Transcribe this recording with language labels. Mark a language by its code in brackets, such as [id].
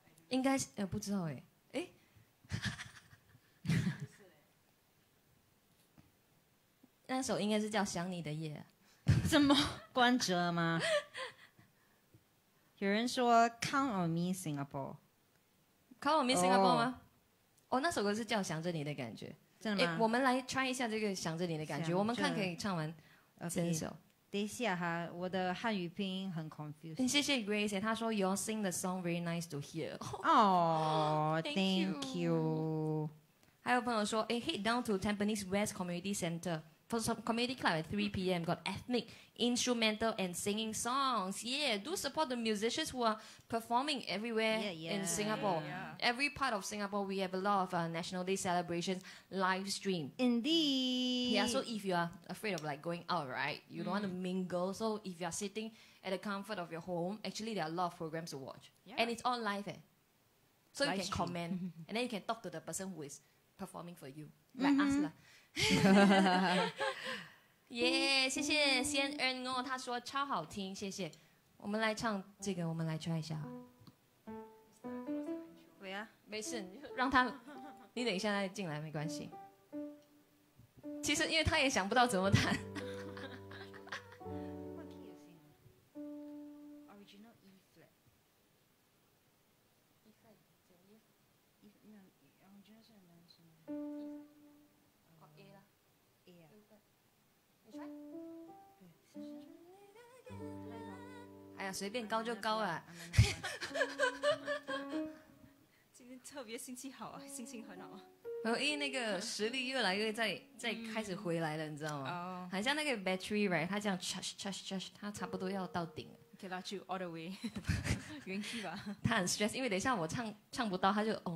[zh] 应该是不知道那首应该是叫《想你的夜》，什么关喆吗？有人说《Count on Me Singapore》， 《Count on Me Singapore》吗？哦，那首歌是叫《想着你的感觉》，真的吗？我们来 try 一下这个《想着你的感觉》，我们看可以唱完这首。 [en] Okay. [zh] 等一下哈，我的汉语拼音很 confused。谢谢 Grace， 他说 [en] You sing the song very nice to hear。 Thank you。 [zh] 还有朋友说， [en] Head down to Tampines West Community Center。 For some comedy club at 3 p.m. got ethnic instrumental and singing songs. Yeah, do support the musicians who are performing everywhere in Singapore. Yeah. Every part of Singapore, we have a lot of National Day celebrations live stream. Indeed. Yeah, so if you are afraid of like going out, right, you don't want to mingle. So if you are sitting at the comfort of your home, actually there are a lot of programs to watch. Yeah. And it's all live. So live you can stream. Comment. And then you can talk to the person who is performing for you. Like us lah. [zh] yeah, 谢谢先恩哦，他说超好听，谢谢。我们来唱这个，我们来 try 一下。喂啊，没事，让他，你等一下再进来，没关系。其实因为他也想不到怎么弹。随便高就高啊！今天特别心情好啊，心情很好啊。因为那个实力越来越在开始回来了，你知道吗？哦，很像那个 battery right， 它这样 charge， 它差不多要到顶了。 [en] Okay， let you all the way， [zh] 元气吧。他很 stress， 因为等一下我唱不到，他就